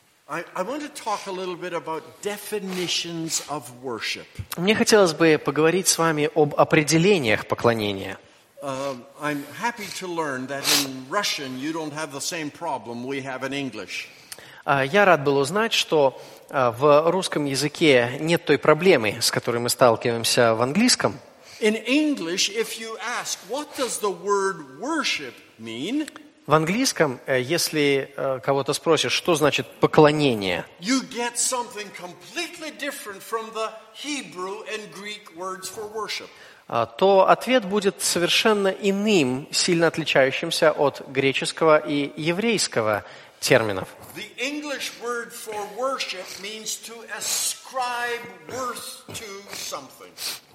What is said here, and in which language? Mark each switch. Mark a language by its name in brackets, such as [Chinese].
[English] I want to talk a little bit about definitions of worship. [Russian] Мне хотелось бы поговорить с вами об определениях поклонения. [English] I'm happy to learn that in Russian you don't have the same problem we have in English. [Russian] Я рад был узнать, что в русском языке нет той проблемы, с которой мы сталкиваемся в английском. [English] In English, if you ask, what does the word worship mean? [Russian] В английском, если кого-то спросишь, что значит поклонение, [English] you get something completely different from the Hebrew and Greek words for worship. [Russian] То ответ будет совершенно иным, сильно отличающимся от греческого и еврейского терминов. [English] The English word for worship means to ascribe worth to something.